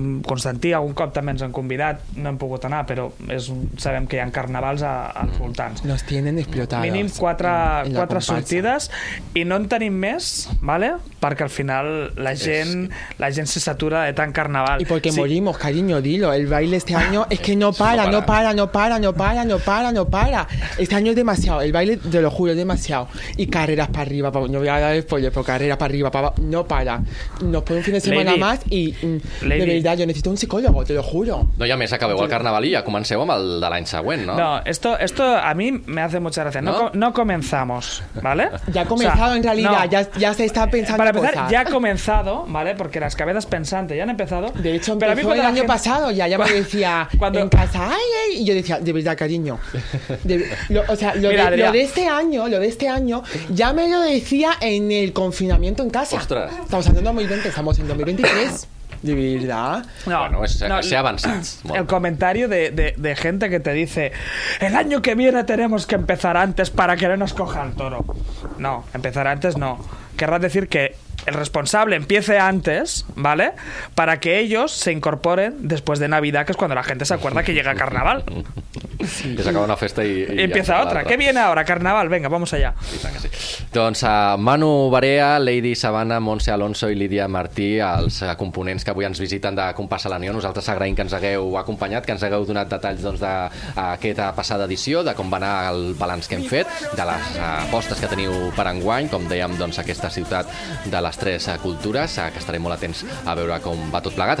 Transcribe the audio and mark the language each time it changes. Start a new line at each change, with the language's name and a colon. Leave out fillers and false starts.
Catalan: Constantí algun cop també ens han convidat, no hem pogut anar, però és, sabem que hi ha carnavals als voltants.
Spanish: Nos tienen explotados.
Catalan: Mínim 4 sortides i no en tenim més, ¿vale? Perquè al final la gent se satura de tant carnaval. I perquè sí.
Spanish: Morimos, cariño, dilo, el baile este año es que no para, no para, no para, no para, no para, no para. Este año es demasiado, el baile, te lo juro, es demasiado. Y carreras para arriba, no voy a dar spoiler, pero carrera para arriba, para abajo, no para. Nos ponen un fin de semana Lady. Más y Lady. De verdad, yo necesito un psicólogo, te lo juro.
Catalan: No,
Spanish: ya me sacaba igual
Catalan: carnaval y ya comenceu amb el de l'any següent, ¿no?
Spanish: No, esto a mí me hace mucha gracia. No, no comenzamos, ¿vale? Ya ha comenzado, o sea, en realidad, no. ya se está pensando. Para empezar, ya ha comenzado, ¿vale? Porque las cabezas pensantes ya han empezado. De hecho, pero a mí el año gente... pasado ya me decía cuando... en casa, ay, ay, y yo decía, de verdad, cariño. Lo de este año, ya me lo decía en el confinamiento en casa. Ostras. Estamos en 2020, estamos en 2023. De verdad. Se ha avanzado. El comentario de gente que te dice: el año que viene tenemos que empezar antes para que no nos coja el toro. No, empezar antes no. Querrás decir que el responsable empiece antes, ¿vale? Para que ellos se incorporen después de Navidad, que es cuando la gente se acuerda que llega carnaval.
Catalan: Sí. Que s'acaba una festa i
Spanish: empieza otra. ¿Qué viene ahora? Carnaval. Venga, vamos allá. Doncs Manu Barea, Lady Sabana, Montse Alonso i Lídia Martí, els components que avui ens visiten de Compassa la Nió. Nosaltres agraïm que ens hagueu acompanyat, que ens hagueu donat detalls d'aquesta passada edició, de com va anar el balanç que hem fet, de les apostes que teniu per enguany, com dèiem, doncs, aquesta ciutat de les tres cultures, que estarem molt atents a veure com va tot plegat.